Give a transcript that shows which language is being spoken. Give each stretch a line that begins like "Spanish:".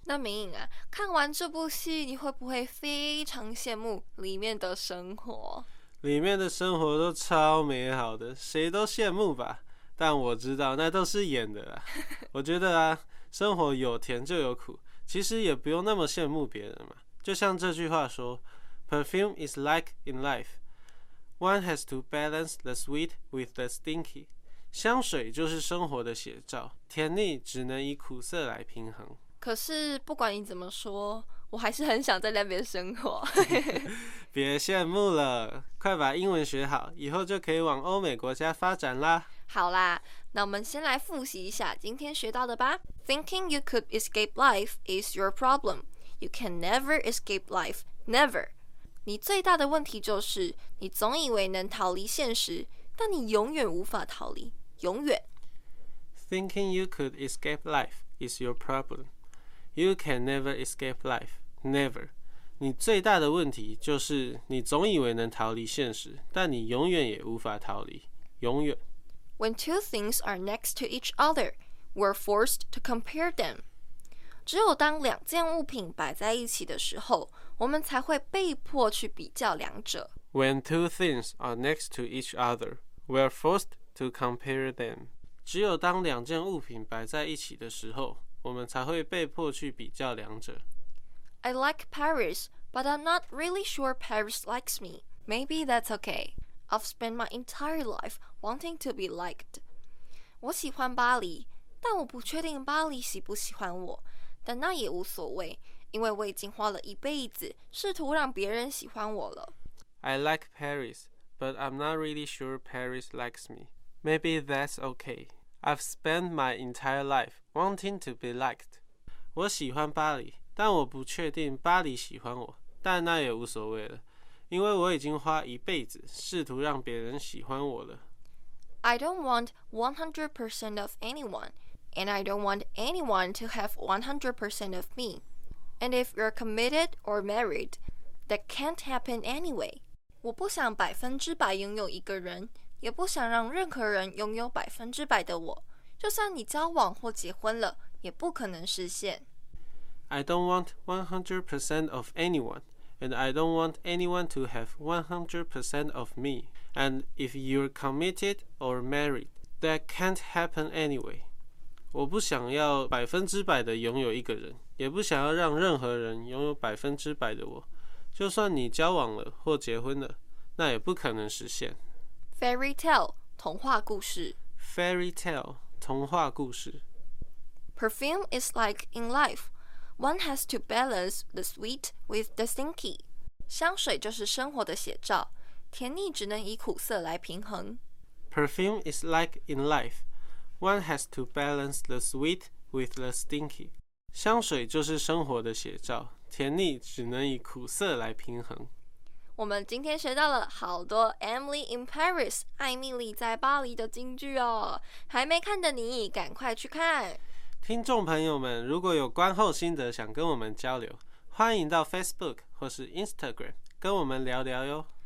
Chinese: 那明颖啊，看完这部戏你会不会非常羡慕里面的生活？里面的生活都超美好的，谁都羡慕吧，但我知道那都是演的啦。我觉得啊，生活有甜就有苦，其实也不用那么羡慕别人嘛。就像这句话说
English: Perfume is like in life. One has to balance the sweet with the stinky.
Chinese: 香水就是生活的写照，甜腻只能以苦涩来平衡。可是不管你怎么说，我还是很想在那边生活。别羡慕了，快把英文学好，以后就可以往欧美国家发展啦。好啦，那我们先来复习一下今天学到的吧。
English: Thinking you could escape life is your problem. You can never escape life, never.
Chinese: 你最大的问题就是你总以为能逃离现实，但你永远无法逃离，永远。
English: Thinking you could escape life is your problem. You can never escape life, never.
Chinese: 你最大的问题就是你总以为能逃离现实，但你永远也无法逃离，永远。
English: When two things are next to each other, we're forced to compare them.
Chinese: 只有当两件物品摆在一起的时候，我们才会被迫去比较两者。
English: When two things are next to each other, we're forced to compare them.
Chinese: 只有当两件物品摆在一起的时候，我们才会被迫去比较两者。
English: I like Paris, but I'm not really sure Paris likes me. Maybe that's okay. I've spent my entire life wanting to be liked.
Chinese: 我喜欢巴黎，但我不确定巴黎喜不喜欢我，但那也无所谓，因为我已经花了一辈子试图让别人喜欢我了。
English: I like Paris, but I'm not really sure Paris likes me. Maybe that's okay. I've spent my entire life wanting to be liked.
Chinese: 我喜欢巴黎，但我不确定巴黎喜欢我，但那也无所谓了。因为我已经花一辈子试图让别人喜欢我了。
English: I don't want 100% of anyone, and I don't want anyone to have 100% of me. And if you're committed or married, that can't happen anyway.
Chinese: 我不想百分之百拥有一个人，也不想让任何人拥有百分之百的我。就算你交往或结婚了，也不可能实现。
English: I don't want 100% of anyone, and I don't want anyone to have 100% of me. And if you're committed or married, that can't happen anyway.
Chinese: 我不想要百分之百的拥有一个人，也不想要让任何人拥有百分之百的我。就算你交往了或结婚了，那也不可能实现。
English: Fairy tale, 童话故事。 Fairy tale, 童话故事。 Perfume is like in life. One has to balance the sweet with the stinky.
Chinese: 香水就是生活的写照，甜腻只能以苦涩来平衡。
English: Perfume is like in life. One has to balance the sweet with the stinky.
Chinese: 香水就是生活的写照，甜腻只能以苦涩来平衡。我们今天学到了好多 Emily in Paris 艾米丽在巴黎的金句哦，还没看的你赶快去看。听众朋友们，如果有观后心得想跟我们交流，欢迎到 Facebook 或是 Instagram 跟我们聊聊哟。